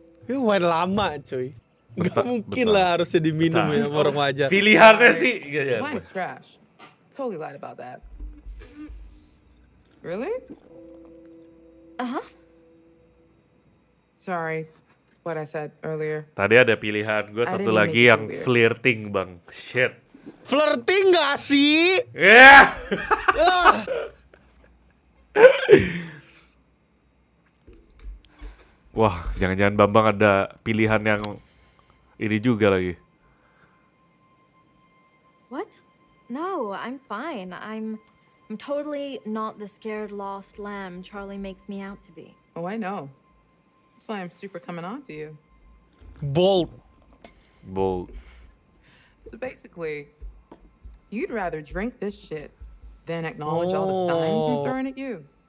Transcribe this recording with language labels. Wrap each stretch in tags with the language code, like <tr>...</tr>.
<id>Ini wine lama cuy. Gak mungkin lah harusnya diminum ya orang aja. Pilihannya sih.</id> <en>Wine is trash. Totally lied about that. Really? Uh-huh. Sorry, what I said earlier.</en> <id>Tadi ada pilihan, gue satu lagi yang flirting bang.</id> <en>Shit.</en> <id>Flirting gak sih?</id> <en>Yeah.</en> <id>Wah, jangan-jangan Bambang ada pilihan yang ini juga lagi.</id> <en>What? No, I'm fine. I'm totally not the scared lost lamb Charlie makes me out to be. Oh, I know. That's why I'm super coming on to you. Bolt. Bolt. So basically, you'd rather drink this shit than acknowledge all the signs I'm throwing at you.</en>